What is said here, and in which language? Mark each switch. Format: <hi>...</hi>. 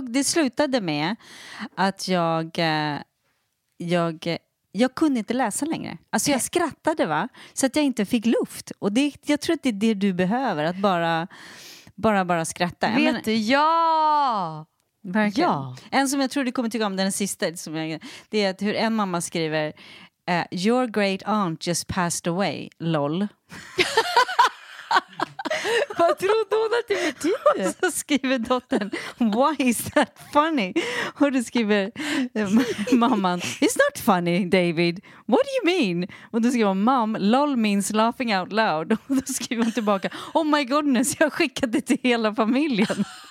<sv>Det slutade med att jag kunde inte läsa längre. Alltså jag skrattade, va? Så att jag inte fick luft. Och jag tror att det är det du behöver. Att bara skratta. Vet du? Ja! Verkligen. Ja. En som jag tror du kommer tycka om, den sista. Det är att hur en mamma skriver.</sv> <en>Your great aunt just passed away. Lol.</en> <sv>Vad trodde hon att det betyder? Och så skriver dottern,</sv> <en>why is that funny?</en> <sv>Och då skriver mamman,</sv> <en>it's not funny, David. What do you mean?</en> <sv>Och då skriver mom,</sv> <en>lol means laughing out loud.</en> <sv>Och då skriver hon tillbaka,</sv> <en>oh my goodness,</en> <sv>jag skickade det till hela familjen.</sv>